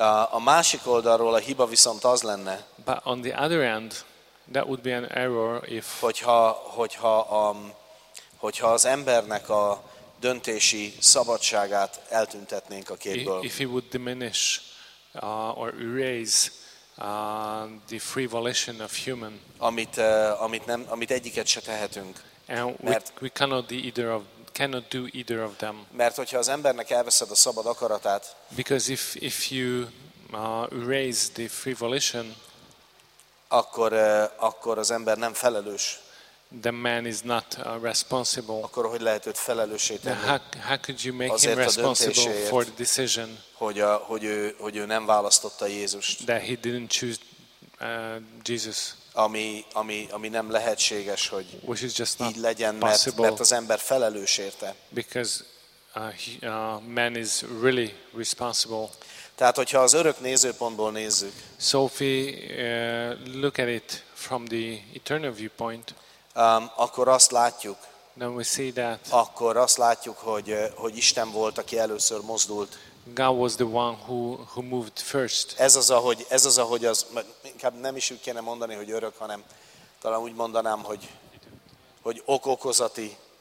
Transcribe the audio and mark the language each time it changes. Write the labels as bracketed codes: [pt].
[hu] A másik oldalról a hiba viszont az lenne, [en] but on the other end, that would be an error if, [hu] hogyha az embernek a döntési szabadságát eltüntetnénk a képből. [en] If he would diminish or erase the free volition of human, [hu] amit egyiket se tehetünk, [en] mert we cannot do either of them, [hu] mert hogyha az embernek elveszed a szabad akaratát, [en] because if you erase the free volition, [hu] akkor az ember nem felelős, [en] the man is not responsible, [hu] akkor hogy lehet őt felelőssé tenni? [en] How could you make him responsible for the decision, [hu] hogy ő nem választotta Jézust, [en] that he didn't choose Jesus, [hu] ami nem lehetséges, hogy [en] which is just [hu] így legyen, mert az ember felelős érte, [en] because man is really responsible. [hu] Tehát hogyha az örök nézőpontból nézzük, [en] so if we look at it from the eternal viewpoint, [hu] akkor azt látjuk, [en] then we see that, [hu] akkor azt látjuk, hogy Isten volt, aki először mozdult. [en] God was the one who moved first. [hu] Ez az, ahogy inkább nem is úgy kéne mondani, hogy örök, hanem talán úgy mondanám, hogy okokozati